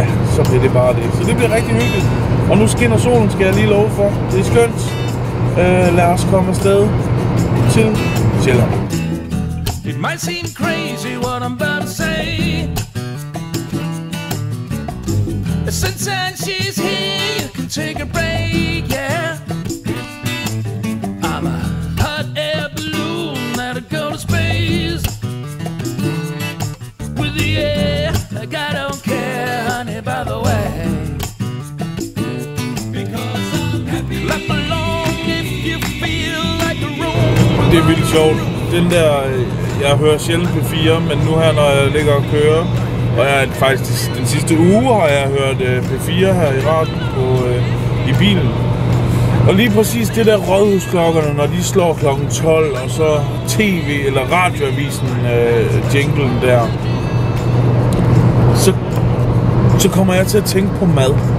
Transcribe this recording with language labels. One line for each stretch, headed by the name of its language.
Danish: Så bliver det bare det. Så det bliver rigtig hyggeligt. Og nu skinner solen, skal jeg lige love for. Det er skønt. Lad os komme afsted til Sjælland.
English: It might seem crazy what I'm about to say. Since she's here, you can take a break, yeah. I'm a hot air balloon that'll go to space with the air, like I don't care, honey, by the way. Because I'm happy. Clap along if you feel like a room.
Danish: Det er vildt sjovt. Den der, jeg hører sjældent P4, men nu her, når jeg ligger og kører, og jeg, faktisk den sidste uge har jeg hørt P4 her i radio på i bilen. Og lige præcis det der rådhusklokkerne, når de slår klokken 12, og så TV eller radioavisen jinglen der, så kommer jeg til at tænke på mad.